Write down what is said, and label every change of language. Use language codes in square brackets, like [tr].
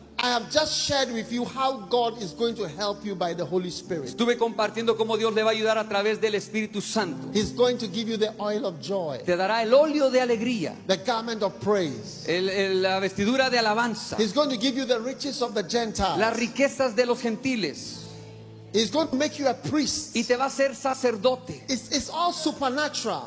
[en] I have just shared with you how God is going to help you by the Holy Spirit. [es] Estuve compartiendo cómo Dios le va a ayudar a través del Espíritu Santo. [en] He's going to give you the oil of joy. [es] Te dará el óleo de alegría. [en] The garment of praise. [es] La vestidura de alabanza. [en] He's going to give you the riches of the Gentiles. [es] Las riquezas de los gentiles. [en] It's going to make you a priest. [es] Y te va a hacer sacerdote. [en] It's all supernatural.